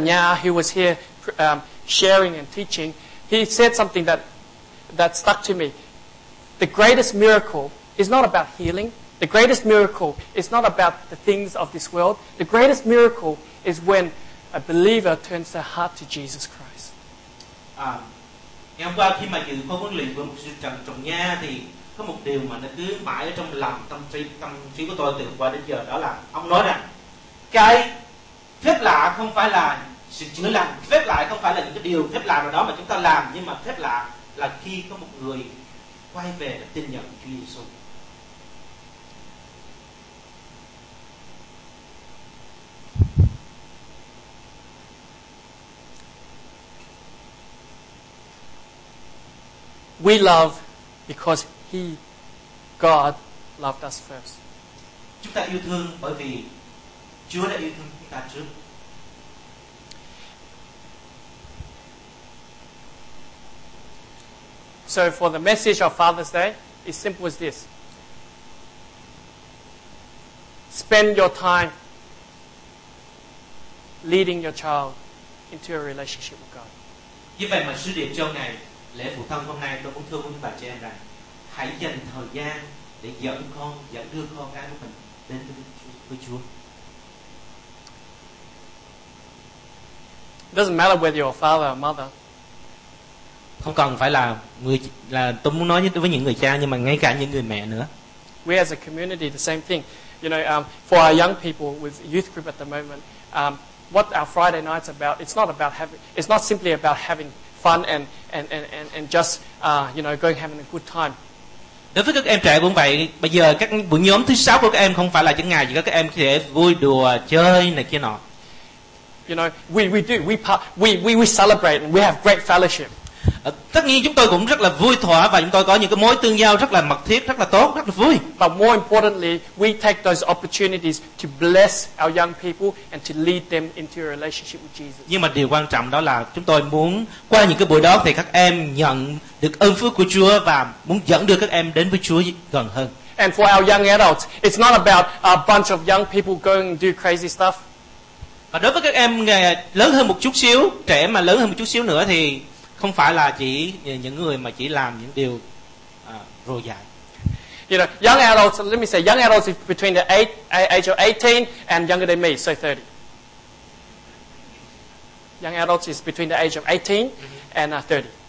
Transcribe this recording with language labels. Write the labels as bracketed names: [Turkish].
[English] Nha, who was here sharing and teaching, he said something that stuck to me. The greatest miracle is not about healing. The greatest miracle is not about the things of this world. The greatest miracle is when a believer turns their heart to Jesus Christ. [Vietnamese] Ngày hôm qua khi mà dự khóa huấn luyện của một sư Trần Trọng Nha thì có một điều mà nó cứ mãi ở trong lòng tâm trí của tôi từ qua đến giờ, đó là ông nói rằng cái phép lạ không phải là sự chữa lành, phép lạ không phải là những cái điều phép lạ nào đó mà chúng ta làm, nhưng mà phép lạ là khi có một người quay về và tin nhận Chúa Giêsu. [English] We love because He, God, loved us first. [Vietnamese] Chúng ta yêu thương bởi vì Chúa đã yêu thương chúng ta trước. [English] So for the message of Father's Day, it's simple as this. Spend your time leading your child into a relationship with God. [Vietnamese] Như vậy mà sứ điệp cho ngày lễ phụ thân hôm nay, tôi cũng thương với bà chị em rằng hãy dành thời gian để dẫn đưa con cái của mình đến với Chúa. [English] It doesn't matter whether you're a father or mother. [Vietnamese] Không cần phải là tôi muốn nói với những người cha, nhưng mà ngay cả những người mẹ nữa. [English] We as a community the same thing. You know, for our young people with youth group at the moment, what our Friday night's about, it's not simply about having fun and just you know, going having a good time. [Vietnamese] Đối với các em trẻ cũng vậy, bây giờ các buổi nhóm thứ sáu của các em không phải là những ngày chỉ có các em có thể vui đùa chơi này kia nọ. [English] You know, we celebrate and we have great fellowship. [Vietnamese] Tất nhiên chúng tôi cũng rất là vui thỏa và chúng tôi có những cái mối tương giao rất là mật thiết, rất là tốt, rất là vui. [English] But more importantly, we take those opportunities to bless our young people and to lead them into a relationship with Jesus. [Vietnamese] Nhưng mà điều quan trọng đó là chúng tôi muốn qua những cái buổi đó thì các em nhận được ơn phước của Chúa và muốn dẫn đưa các em đến với Chúa gần hơn. [English] And for our young adults, it's not about a bunch of young people going and do crazy stuff. [Vietnamese] Và đối với các em lớn hơn một chút xíu, trẻ mà lớn hơn một chút xíu nữa thì không phải là chỉ những người mà chỉ làm những điều rồ dại. [English] You know, young adults, let me say, young adults is between the age of 18 and younger than me, so 30. Young adults is between the age of 18 and 30.